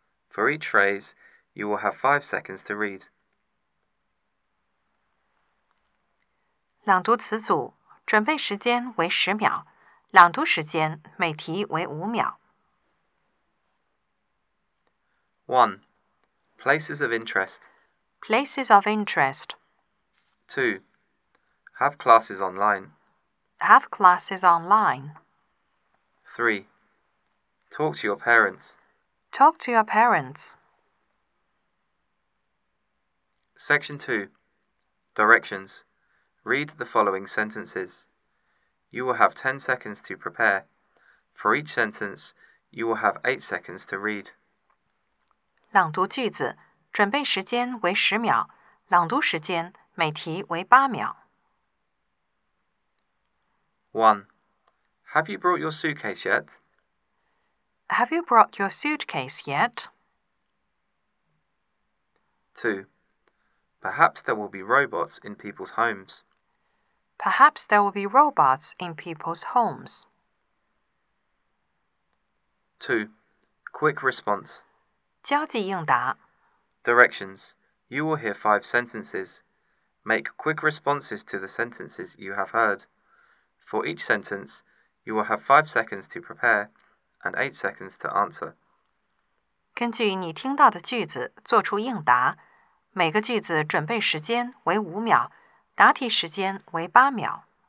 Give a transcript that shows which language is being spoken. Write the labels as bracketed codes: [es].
[en] For each phrase, you will have 5 seconds to read. [zh] 朗读词组，准备时间为10秒，朗读时间每题为5秒。 [en] 1. Places of interest. Places of interest. 2. Have classes online. Have classes online. 3. Talk to your parents. Talk to your parents. Section 2. Directions. Read the following sentences. You will have 10 seconds to prepare. For each sentence, you will have 8 seconds to read. [zh] 朗读句子，准备时间为10秒，朗读时间每题为8秒。 [en] 1. Have you brought your suitcase yet? Have you brought your suitcase yet? 2. Perhaps there will be robots in people's homes. Perhaps there will be robots in people's homes. 2. Quick response. [zh] 交际应答. [en] Directions. You will hear 5 sentences. Make quick responses to the sentences you have heard. For each sentence, you will have 5 seconds to prepare and 8 seconds to answer. [zh] 根据你听到的句子做出应答。每个句子准备时间为5秒，答题时间为8秒。